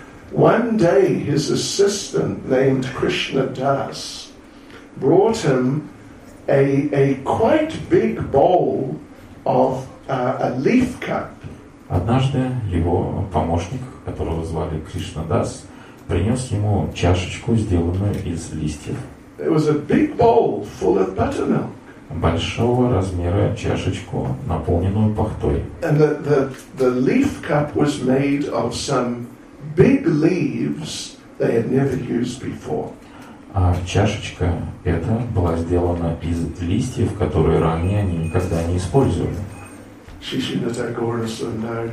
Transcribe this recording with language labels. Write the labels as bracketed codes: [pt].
[en] One day his assistant named Krishna Das brought him a quite big bowl of a leaf cup. [ru] Однажды его помощник, которого звали Кришна Дас, принес ему чашечку, сделанную из листьев. [en] It was a big bowl full of buttermilk. [ru] Большого размера чашечку, наполненную пахтой. [en] And the leaf cup was made of some big leaves they had never used before. [ru] А чашечка эта была сделана из листьев, которые ранее они никогда не использовали. Шишинатха Гурусундара